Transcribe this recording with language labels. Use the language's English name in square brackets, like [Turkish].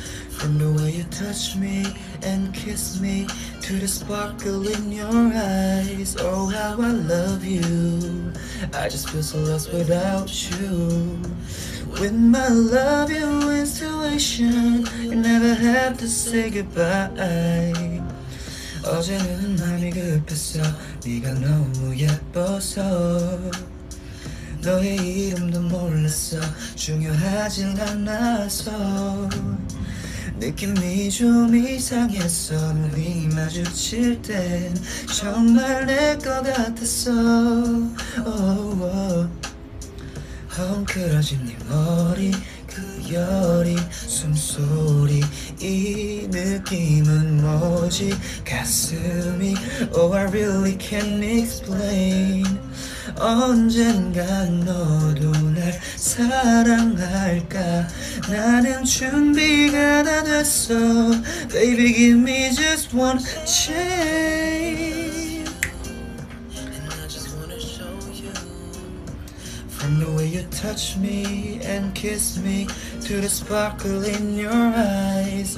[English] From the way you touch me and kiss me, to the sparkle in your eyes. Oh how I love you, I just feel so lost without you. With my love your intuition, you never have to say goodbye. [Korean] 어제는 마음이 급했어, 네가 너무 예뻐서 너의 이름도 몰랐어. 중요하진 않았어. 느낌이 좀 이상했어. 눈이 마주칠 땐 정말 내 것 같았어. Oh, oh. 헝클어진 네 머리, 그 여린 숨소리. 이 느낌은 뭐지? 가슴이. [English] Oh, I really can't explain. [Korean] 언젠가 너도 날 사랑할까? 나는 준비가 다 됐어. [English] Baby, give me just one chance. And I just wanna show you. From the way you touch me and kiss me, to the sparkle in your eyes.